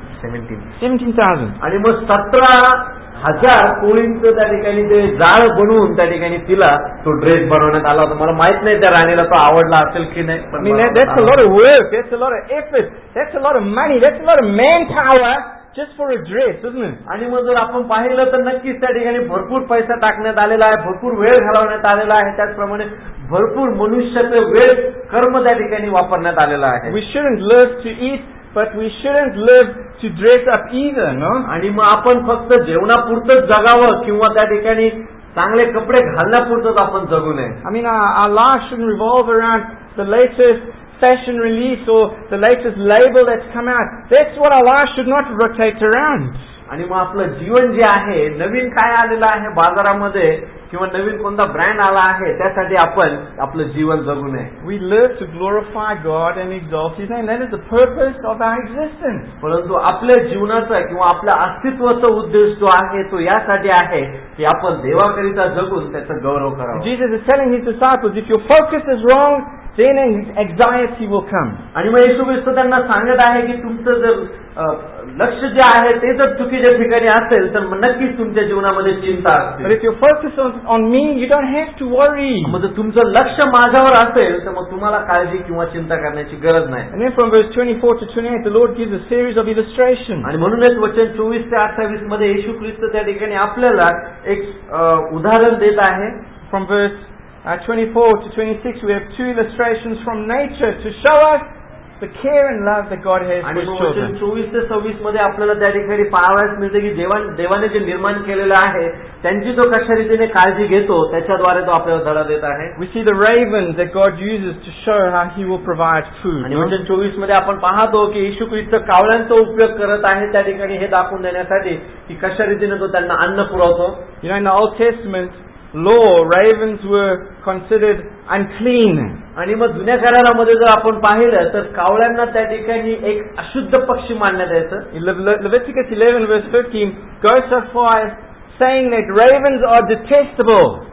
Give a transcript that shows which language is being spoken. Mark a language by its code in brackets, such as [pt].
[en] 17,000. [mr] आणि मग 17,000 कोळींचं त्या ठिकाणी ते जाळ बनवून त्या ठिकाणी तिला तो ड्रेस बनवण्यात आला होता. मला माहित नाही त्या राणीला तो आवडला असेल की नाही. [en] That's a lot of work, that's a lot of effort, that's a lot of money, that's a lot of manpower. Just for a dress, isn't it? [mr] आणि मग जर आपण पाहिलं तर नक्कीच त्या ठिकाणी भरपूर पैसा टाकण्यात आलेला आहे, भरपूर वेळ घालवण्यात आलेला आहे, त्याचप्रमाणे भरपूर मनुष्याचं वेळ कर्म त्या ठिकाणी वापरण्यात आलेला आहे. [en] We shouldn't live to eat, but we shouldn't live to dress up either, no? [mr] आणि मग आपण फक्त जेवणापुरतंच जगावं किंवा त्या ठिकाणी चांगले कपडे घालण्यापुरतंच आपण जगू नये. [en] I mean, our lives shouldn't revolve around the latest fashion release or the latest label that's come out. That's what our life should not rotate around. [mr] आणि मग आपलं जीवन जे आहे नवीन काय आलेलं आहे बाजारामध्ये किंवा नवीन कोणता ब्रँड आला आहे त्यासाठी आपण आपलं जीवन जगू नये. [en] We learn to glorify God and exalt his name, that is the purpose of our existence. [mr] परंतु आपल्या जीवनाचा किंवा आपल्या अस्तित्वाचा उद्देश जो आहे तो यासाठी आहे की आपण देवाकरिता जगून त्याचा गौरव करावा. [en] Jesus is telling his disciples, if your focus is wrong then anxiety will come. [mr] आणि मग येशू ख्रिस्त त्यांना सांगत आहे की तुमचं जर लक्ष जे आहे ते जर चुकीच्या ठिकाणी असेल तर नक्कीच तुमच्या जीवनामध्ये चिंता असते. [en] If your focus is on me, you don't have to worry. [mr] मग जर तुमचं लक्ष माझ्यावर असेल तर मग तुम्हाला काळजी किंवा चिंता करण्याची गरज नाही. [en] And then from verse 24 to 28, the Lord gives a series of illustrations. [mr] आणि म्हणूनच वचन 24 ते 28 मध्ये येशू ख्रिस्त त्या ठिकाणी आपल्याला एक उदाहरण देत आहे. [en] From verse 24 to 26 we have two illustrations from nature to show us the care and love that God has for His children. [mr] 24-26 मध्ये आपल्याला त्या ठिकाणी पाहावयास मिळते की देवाने जे निर्माण केलेलं आहे त्यांची जो कशा रीतीने काळजी घेतो त्याच्याद्वारे तो आपल्याला धडा देत आहे. [en] We see the raven that God uses to show how He will provide food. [mr] आणि 24 मध्ये आपण पाहतो की येशू ख्रिस्त कावळ्यांचा उपयोग करत आहे त्या ठिकाणी हे दाखवून देण्यासाठी की कशा रीतीने तो त्यांना अन्न पुरवतो. [en] You know, in the Old Testament law, ravens were considered unclean. [mr] आणि मग जुन्या करारामध्ये जर आपण पाहिलं तर कावळ्यांना त्या ठिकाणी एक अशुद्ध पक्षी मानण्यात यायचं. [en] Leviticus 11:15 goes so far as saying that ravens are detestable.